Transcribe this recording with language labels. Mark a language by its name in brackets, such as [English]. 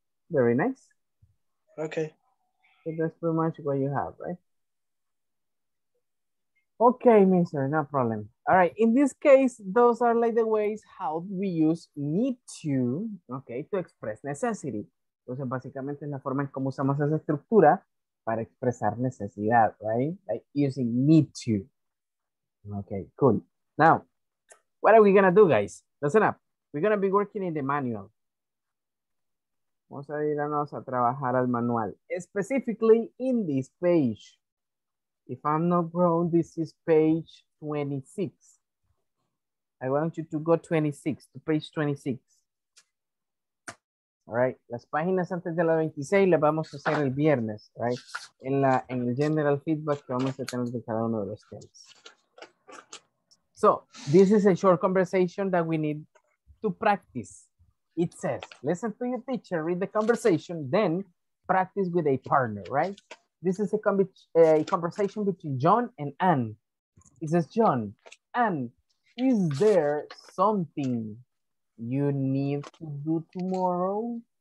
[English] Very nice. Okay. So that's pretty much what you have, right? Okay, mister, no problem. All right, in this case, those are like the ways how we use need to, okay, to express necessity. [Spanish] Entonces, básicamente es la forma en cómo usamos esa estructura para expresar necesidad, right? [English] Like using need to. Okay, cool. Now, what are we gonna do, guys? Listen up. We're gonna be working in the manual. [Spanish] Vamos a irnos a trabajar al manual. [English] Specifically in this page. If I'm not wrong, this is page 26. I want you to go 26, to page 26. All right. [Spanish] Las páginas antes de la 26 las vamos a hacer el viernes, right? En el general feedback que vamos a tener de cada uno de los temas. [English] So, this is a short conversation that we need to practice. It says, listen to your teacher, read the conversation, then practice with a partner, right? This is a conversation between John and Anne. It says, John, Anne, is there something you need to do tomorrow?